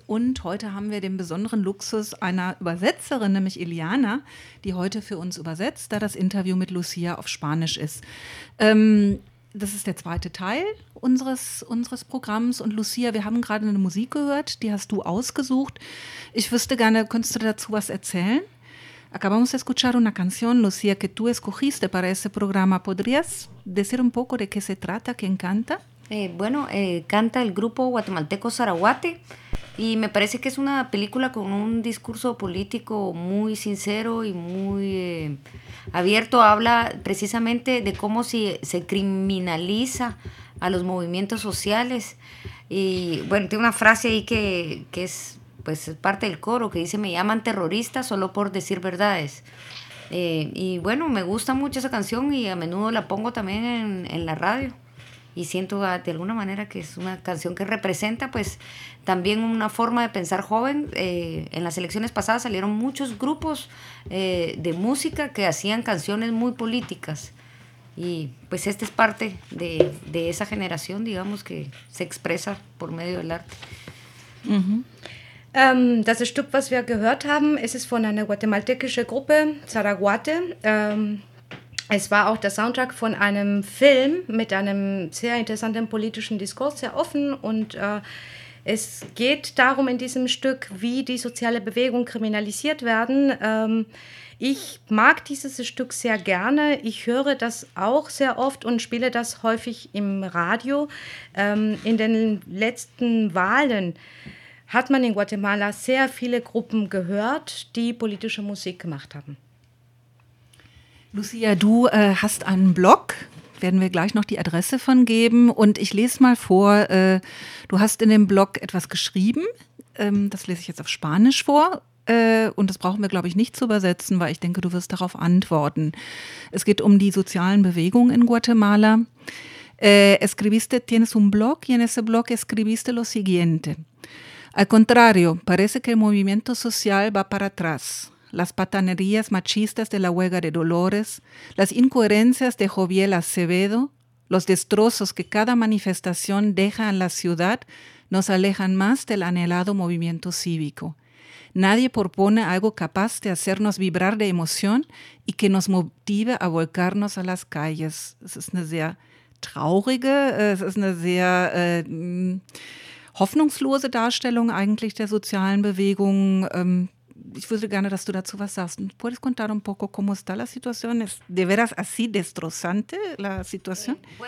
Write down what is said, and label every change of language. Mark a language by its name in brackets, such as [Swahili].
[German] Und heute haben wir den besonderen Luxus einer Übersetzerin, nämlich Eliana, die heute für uns übersetzt, da das Interview mit Lucia auf Spanisch ist. Das ist der zweite Teil unseres Programms. Und Lucia, wir haben gerade eine Musik gehört, die hast du ausgesucht. Ich wüsste gerne, könntest du dazu was erzählen? [Spanish] Acabamos de escuchar una canción, Lucia, que tú escogiste para ese programa. ¿Podrías decir un poco de qué se trata, quién canta? Canta el grupo guatemalteco Saraguate. Y me parece que es una película con un discurso político muy sincero y muy abierto. Habla precisamente de cómo se criminaliza a los movimientos sociales. Y bueno, tiene una frase ahí que es pues parte del coro, que dice: me llaman terrorista solo por decir verdades. Y bueno, me gusta mucho esa canción y a menudo la pongo también en la radio. Y siento de alguna manera que es una canción que representa pues también una forma de pensar joven. En las elecciones pasadas salieron muchos grupos de música que hacían canciones muy políticas. Y pues esta es parte de esa generación, digamos, que se expresa por medio del arte. [German] Das Stück, was wir gehört haben, es ist von einer guatemaltekischen Gruppe, Zaraguate. Es war auch der Soundtrack von einem Film mit einem sehr interessanten politischen Diskurs, sehr offen. Und es geht darum in diesem Stück, wie die soziale Bewegung kriminalisiert werden. Ich mag dieses Stück sehr gerne. Ich höre das auch sehr oft und spiele das häufig im Radio. In den letzten Wahlen hat man in Guatemala sehr viele Gruppen gehört, die politische Musik gemacht haben. Lucia, du hast einen Blog, werden wir gleich noch die Adresse von geben. Und ich lese mal vor, du hast in dem Blog etwas geschrieben, das lese ich jetzt auf Spanisch vor. Und das brauchen wir, glaube ich, nicht zu übersetzen, weil ich denke, du wirst darauf antworten. Es geht um die sozialen Bewegungen in Guatemala. [Spanish] Escribiste, tienes un blog y en ese blog escribiste lo siguiente. Al contrario, parece que el movimiento social va para atrás. Las patanerías machistas de la huelga de Dolores, las incoherencias de Joviel Acevedo, los destrozos que cada manifestación deja en la ciudad, nos alejan más del anhelado movimiento cívico. Nadie propone algo capaz de hacernos vibrar de emoción y que nos motive a volcarnos a las calles. [German] Es ist eine sehr traurige, es ist eine sehr hoffnungslose Darstellung eigentlich der sozialen Bewegung. Ich würde gerne, dass du dazu was sagst. [Spanish] ¿Puedes contar un poco cómo está la situación? ¿Es de veras así destrozante la situación?